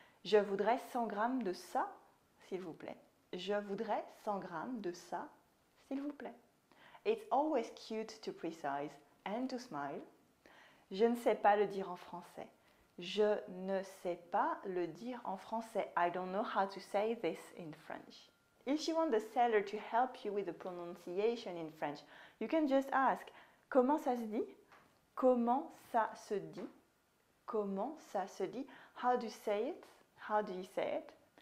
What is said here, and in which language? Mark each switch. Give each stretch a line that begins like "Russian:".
French: Je voudrais 100 grammes de ça, s'il vous plaît. Je voudrais 100 grammes de ça. S'il vous plaît.
English: It's always cute to precise and to smile.
French: Je ne sais pas le dire en français. Je ne sais pas le dire en français.
English: I don't know how to say this in French. If you want the seller to help you with the pronunciation in French, you can just ask,
French: comment ça se dit? Comment ça se dit?
English: Comment ça se dit? How do you say it? How do you say it?